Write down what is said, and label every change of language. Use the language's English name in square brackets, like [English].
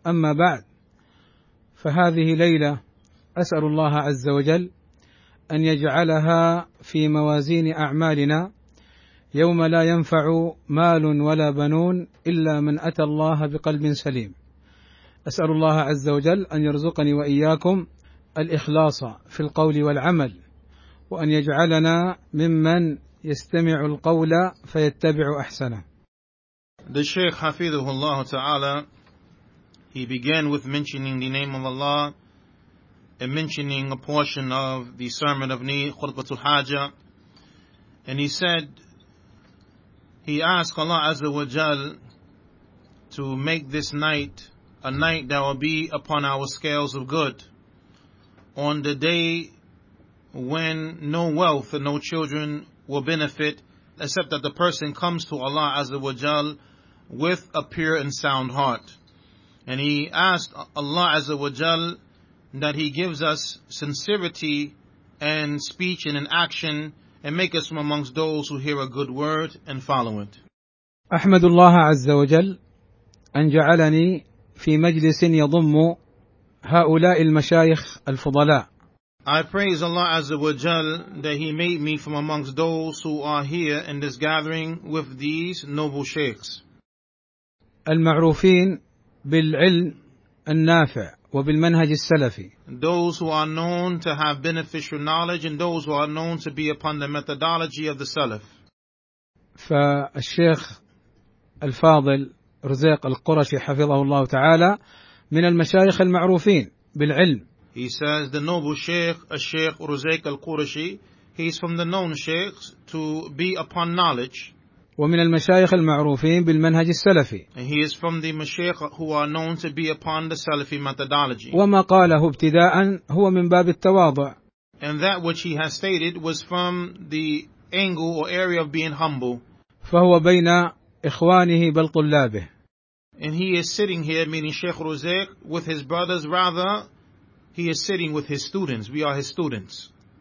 [Arabic] أما بعد، فهذه ليلة أسأل الله عز وجل أن يجعلها في موازين أعمالنا، يوم لا ينفع مال ولا بنون إلا من أتى الله بقلب سليم. أسأل الله عز وجل أن يرزقني وإياكم الإخلاص في القول والعمل، وأن يجعلنا ممن يستمع القول فيتبع أحسنه. [English] The Shaykh Hafidhullah Ta'ala, he began with mentioning the name of Allah and mentioning a portion of the Sermon of Ni Khutbatul Haja, and he said, he asked Allah Azza wa Jal to make this night a night that will be upon our scales of good, on the day when no wealth and no children will benefit, except that the person comes to Allah Azza wa Jal with a pure and sound heart. And he asked Allah Azza wa Jal that he gives us sincerity and speech and an action, and make us from amongst those who hear a good word and follow it. [Arabic] أحمد الله عز وجل أن جعلني في مجلس يضم هؤلاء المشايخ الفضلاء. [English] I praise Allah Azza wa Jal that he made me from amongst those who are here in this gathering with these noble sheikhs. [Arabic] المعروفين بالعلم النافع وبالمنهج السلفي. [English] Those who are known to have beneficial knowledge and those who are known to be upon the methodology of the Salaf. [Arabic] فالشيخ الفاضل رزاق القرشي حفظه الله تعالى من المشايخ المعروفين بالعلم. [English] He says the noble Sheikh, Sheikh Ruzayk al-Qurashi, he's from the known sheikhs to be upon knowledge. [Arabic] ومن المشايخ المعروفين بالمنهج السلفي. [English] And he is from the mashayikh who are known to be upon the Salafi methodology. [Arabic] وما قاله ابتداء هو من باب التواضع. [English] And that which he has stated was from the angle or area of being humble. [Arabic] فهو بين إخوانه بل طلابه. [English] And he is sitting here, meaning Sheikh Ruzayk, with his brothers, rather he is sitting with his students. We are his students.